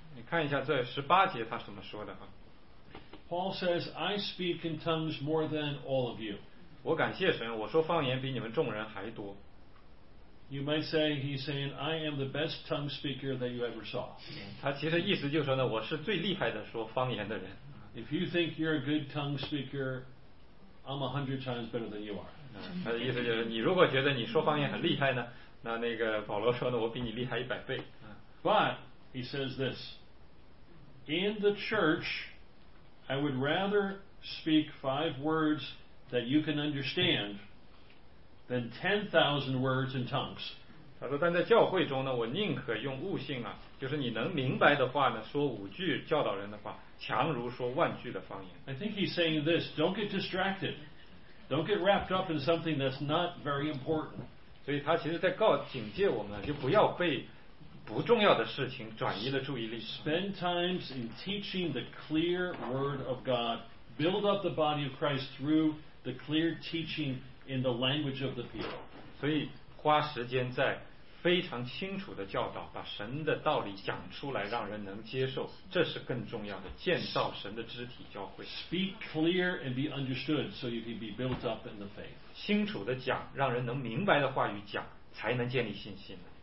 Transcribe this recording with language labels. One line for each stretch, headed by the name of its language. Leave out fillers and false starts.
Chinese: 你看一下这十八节他怎么说的啊
English: ？Paul says, "I speak in tongues more than all of you."
Chinese: 我感谢神，我说方言比你们众人还多。
English: You might say he's saying, "I am the best tongue speaker that you ever saw."
Chinese: 他其实意思就是说呢，我是最厉害的说方言的人。
English: If you think you're a good tongue speaker, I'm 100 times better than you are.
Chinese: 他的意思就是，你如果觉得你说方言很厉害呢，那个保罗说呢，我比你厉害100倍。
English: But he says this, in the church, I would rather speak 5 words that you can understand. Than 10,000 words in tongues.
Chinese: 他说，但在教会中呢，我宁可用悟性啊，就是你能明白的话呢，说5句教导人的话，强如说1句的方言。
English: I think he's saying this: don't get distracted, don't get wrapped up in something that's not very important.
Chinese: 所以他其实在警戒我们，就不要被不重要的事情转移了注意力。
English: Spend times in teaching the clear word of God, build up the body of Christ through the clear teaching. In the language of the people.
Chinese: 所以花时间在非常清楚的教导，把神的道理讲出来，让人能接受，这是更重要的，建造神的肢体教会。
English: Speak clear and be understood, so you can be built up in the faith.
Chinese: 清楚的讲，让人能明白的话语讲，才能建立信心。